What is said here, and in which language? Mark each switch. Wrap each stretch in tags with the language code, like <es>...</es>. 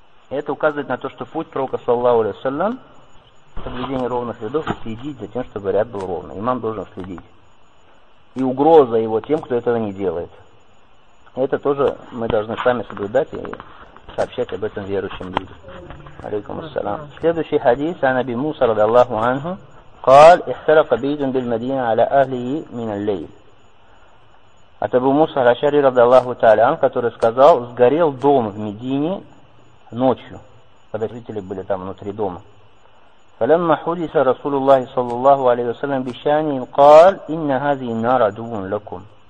<ru>Это указывает на то, что путь пророка саллаллаху алейхи ва саллям, соблюдение ровных рядов, следить за тем, чтобы ряд был ровный. Имам должен следить. И угроза его тем, кто этого не делает. Это тоже мы должны сами соблюдать и сообщать об этом верующим людям. Алейкум ассалам. Следующий хадис о Наби Муса радиаллаху анху.</ru> <ar>قال: احترق بيت بالمدينة على أهله من الليل.</ar> <ru>от Абу Муса аль-Ашари радиаллаху та'аля ан, который сказал: сгорел дом в Медине ночью, когда жители были там внутри дома.</ru> <ar>فَلَمَّا حُدِثَ رَسُولُ اللَّهِ صَلَّى اللَّهُ عَلَيْهِ وَسَلَّمَ بِشَأْنِهِ قَالَ إِنَّ هَذِهِ النَّارَ عَدُوٌّ لَكُمْ.</ar>